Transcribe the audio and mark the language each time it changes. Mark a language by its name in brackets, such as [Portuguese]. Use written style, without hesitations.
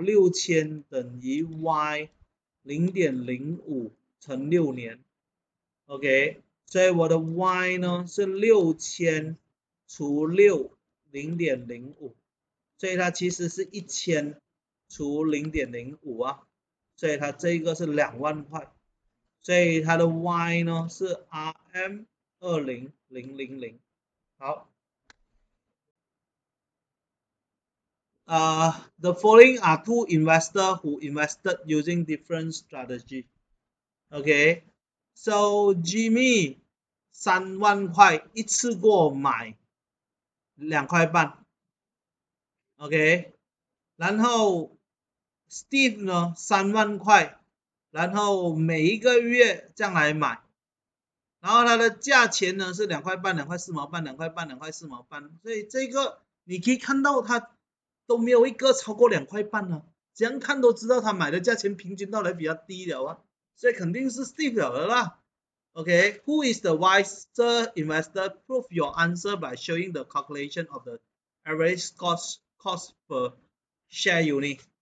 [Chinese] 6000等于 y 0.05乘6年，OK，所以我的 y 呢是6000除60.05，所以它其实是1000除0.05啊，所以它这个是2万块，所以它的 y 呢是 RM 20000，好。 [English] The following are two investors who invested using different strategy. [Chinese] Okay, so Jimmy 3万块一次过买2块半。 Okay，然后 Steve 呢3万块，然后每一个月这样来买，然后它的价钱呢是2块半、2块4毛半、2块半、2块4毛半，所以这个你可以看到它。都没有一个超过2块半呢、啊，怎样看都知道他买的价钱平均到来比较低了啊，所以肯定是 steep 了的啦。 [English] OK，who is the wiser investor? Prove your answer by showing the calculation of the average cost per share unit.